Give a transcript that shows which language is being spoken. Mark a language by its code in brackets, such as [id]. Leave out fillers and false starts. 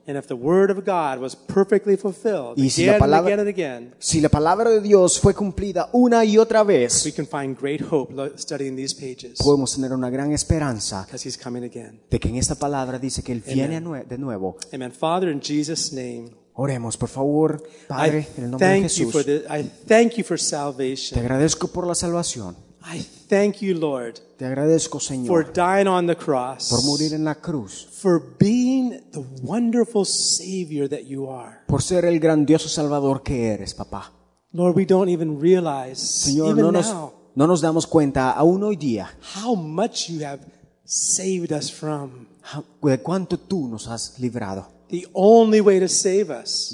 [en] And if the word of God was perfectly fulfilled, [es] y si la palabra, [en] again and again, [es] si la palabra de Dios fue cumplida una y otra vez, [en] we can find great hope studying these pages. [es] Podemos tener una gran esperanza. [en] Because he's coming again. [es] De que en esta palabra dice que él viene de nuevo. [en] Amen. Father, in Jesus' name. [es] Oremos, por favor, Padre, en el nombre de Jesús. [en] I thank you for salvation. [es] Te agradezco por la salvación. [en] I thank you, Lord. [es] Te agradezco, Señor. [en] For dying on the cross. [es] Por morir en la cruz. [en] For being the wonderful Savior that you are. [es] Por ser el grandioso Salvador que eres, papá. [en] Lord, we don't even realize, [es] Señor, [en] even [es] no nos damos cuenta aún hoy día. [en] How much you have saved us from. [es] ¿De cuánto tú nos has librado? [en] The only way to save us.